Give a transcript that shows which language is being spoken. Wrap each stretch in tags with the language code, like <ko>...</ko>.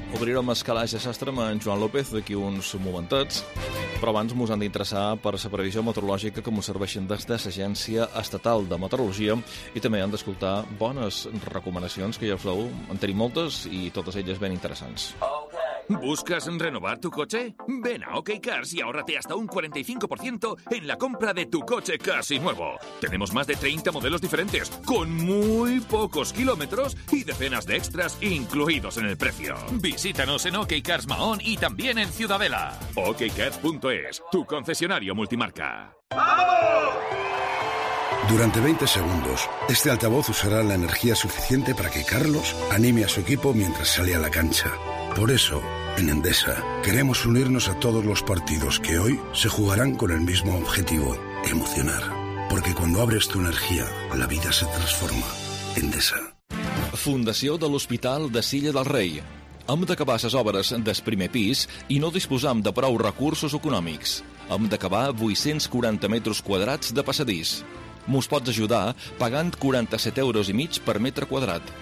<ca>Obrirem escalatge sastre amb en Joan López d'aquí uns momentets, però abans mos han d'interessar per la previsió meteorològica que mos serveixen des de l'Agència Estatal de Meteorologia i també han d'escoltar bones recomanacions, que ja us veu, en tenim moltes i totes elles ben interessants.</ca> <es>¿Buscas renovar tu coche? Ven a OK Cars y ahórrate hasta un 45% en la compra de tu coche casi nuevo. Tenemos más de 30 modelos diferentes, con muy pocos kilómetros y decenas de extras incluidos en el precio. Visítanos en OK Cars Mahón y también en Ciudadela. OKCars.es, tu concesionario multimarca. ¡Vamos! Durante 20 segundos, este altavoz usará la energía suficiente para que Carlos anime a su equipo mientras sale a la cancha. Por eso, en Endesa, queremos unirnos a todos los partidos que hoy se jugarán con el mismo objetivo, emocionar. Porque cuando abres tu energía, la vida se transforma. Endesa.</es> <ca>Fundació de l'Hospital de Silla del Rei. Hem d'acabar les obres del primer pis i no disposam de prou recursos econòmics. Hem d'acabar 840 metres quadrats de passadís. Mos pots ajudar pagant 47 euros i mig per metre quadrat.</ca>